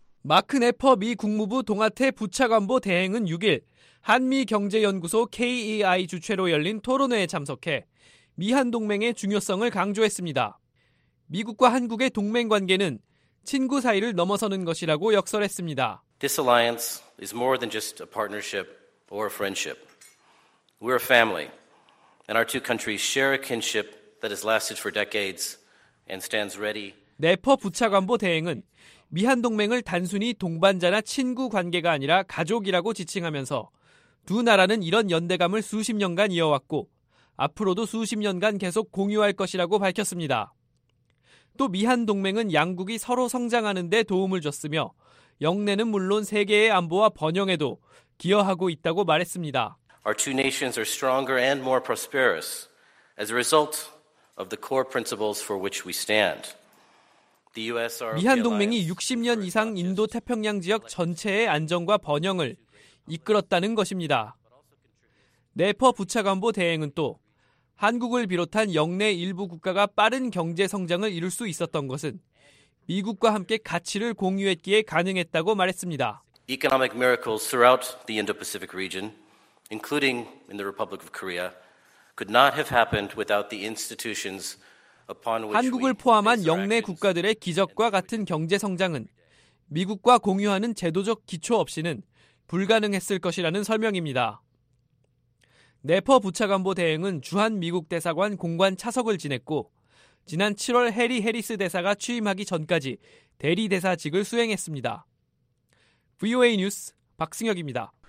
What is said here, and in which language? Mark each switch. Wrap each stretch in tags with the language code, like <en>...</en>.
<ko>마크 내퍼 미 국무부 동아태 부차관보 대행은 6일 한미경제연구소 KEI 주최로 열린 토론회에 참석해 미한 동맹의 중요성을 강조했습니다. 미국과 한국의 동맹관계는 친구 사이를 넘어서는 것이라고 역설했습니다.</ko> <en>This alliance is more than just a partnership or a friendship. We're a family, and our two countries share a kinship that has lasted for decades and stands ready.</en> <ko>내퍼 부차관보 대행은 미한 동맹을 단순히 동반자나 친구 관계가 아니라 가족이라고 지칭하면서 두 나라는 이런 연대감을 수십 년간 이어왔고 앞으로도 수십 년간 계속 공유할 것이라고 밝혔습니다. 또 미한 동맹은 양국이 서로 성장하는 데 도움을 줬으며 영내는 물론 세계의 안보와 번영에도 기여하고 있다고 말했습니다.</ko> <en>Our two nations are stronger and more prosperous as a result of the core principles for which we stand.</en> <ko>미한 동맹이 60년 이상 인도 태평양 지역 전체의 안정과 번영을 이끌었다는 것입니다. 내퍼 부차관보 대행은 또 한국을 비롯한 영내 일부 국가가 빠른 경제 성장을 이룰 수 있었던 것은 미국과 함께 가치를 공유했기에 가능했다고 말했습니다.</ko> <en>Economic miracles throughout the Indo-Pacific region, including in the Republic of Korea, could not have happened without the institutions</en> <ko>한국을 포함한 영내 국가들의 기적과 같은 경제 성장은 미국과 공유하는 제도적 기초 없이는 불가능했을 것이라는 설명입니다. 내퍼 부차관보 대행은 주한미국 대사관 공관 차석을 지냈고 지난 7월 해리 해리스 대사가 취임하기 전까지 대리대사직을 수행했습니다. VOA 뉴스 박승혁입니다.</ko>